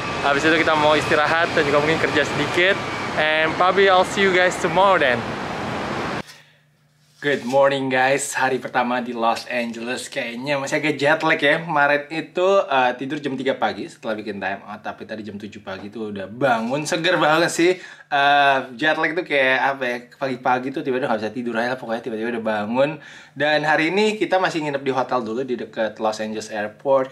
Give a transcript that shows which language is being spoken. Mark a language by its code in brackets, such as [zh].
[id] Habis itu kita mau istirahat dan juga mungkin kerja sedikit. [en] And probably I'll see you guys tomorrow then. Good morning guys, [id] hari pertama di Los Angeles. Kayaknya masih agak jet lag ya. Kemarin itu tidur jam 3 pagi setelah bikin time out. Tapi tadi jam 7 pagi tuh udah bangun, seger banget sih. Jet lag tuh kayak apa ya, pagi-pagi tuh tiba-tiba gak bisa tidur aja lah. Pokoknya tiba-tiba udah bangun. Dan hari ini kita masih nginep di hotel dulu di dekat Los Angeles Airport.